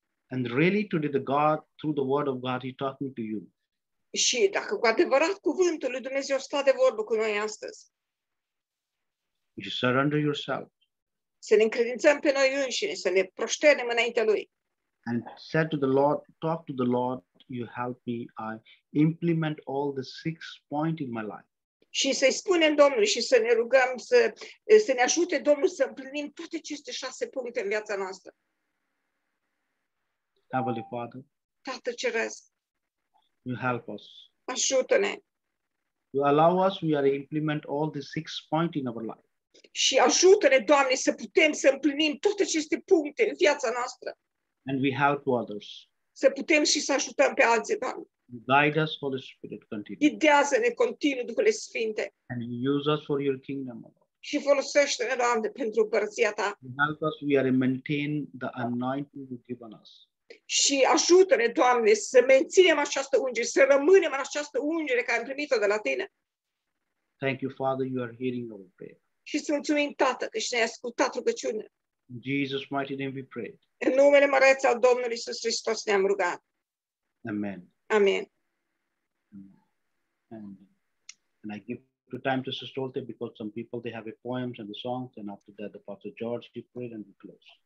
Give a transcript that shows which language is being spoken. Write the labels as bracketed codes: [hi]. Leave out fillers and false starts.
[en] And really today the God through the word of God he talking to you. [ro] Și dacă cu adevărat cuvântul lui Dumnezeu stă de vorbă cu noi astăzi. [en] You surrender yourself. [ro] Să ne încredințăm pe noi înșine, să ne prosternăm înaintea lui. [en] And said to the Lord, talk to the Lord, you help me, I implement all the 6 points in my life. [ro] Și să-i spunem Domnului și să ne rugăm să ne ajute Domnul să împlinim toate aceste 6 puncte în viața noastră. [en] Heavenly Father, [ro] Tată Ceresc, [en] you help us. [ro] Ajută-ne. [en] You allow us, we are implement all the 6 points in our life. [ro] Și ajută-ne, Doamne, să putem să împlinim toate aceste puncte în viața noastră. [en] And we help others. [ro] Să putem și să ajutăm pe alții, Doamne. [en] Guide us, Holy Spirit, continue. [ro] Ghidează-ne continuu, Duhule Sfinte. [en] And use us for your kingdom, O Lord. [ro] Și folosește-ne, Doamne, pentru împărăția ta. [en] And help us, we are maintain the anointing you've given us. [ro] Și ajută-ne, Doamne, să menținem această ungere, să rămânem în această ungere care am primit-o de la tine. [en] Thank you, Father, you are hearing our prayer. [ro] Și îți mulțumim, Tată, că și ne-ai ascultat rugăciunea. [en] In Jesus mighty name we pray. [ro] În numele măreț al Domnului Iisus Hristos ne-am rugat. [en] Amen. Amen. And I give the time to Sister Olte because some people they have a poems and the songs and after that the Pastor George he prayed and we close.